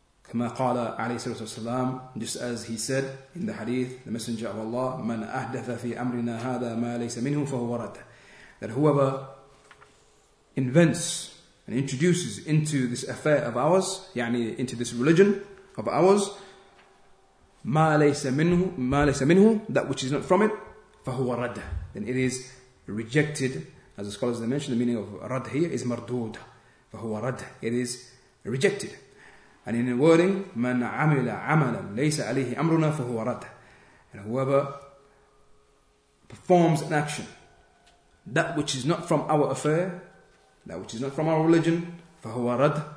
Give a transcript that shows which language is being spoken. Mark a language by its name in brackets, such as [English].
[Arabic] كما قال عليه الصلاة والسلام, [English] just as he said in the hadith, the Messenger of Allah, [Arabic] من أحدث في أمرنا هذا ما ليس منه فهو ورد. [English] That whoever invents and introduces into this affair of ours, يعني into this religion of ours, [Arabic] ما ليس منه [English] that which is not from it, [Arabic] فهو رد. [English] Then it is rejected. As the scholars have mentioned, the meaning of رد here is مردود. [Arabic] فهو رد. [English] It is rejected. And in the wording, [Arabic] من عمل عملا ليس عليه أمرنا فهو رد. [English] And whoever performs an action, that which is not from our affair, that which is not from our religion, [Arabic] فهو رد.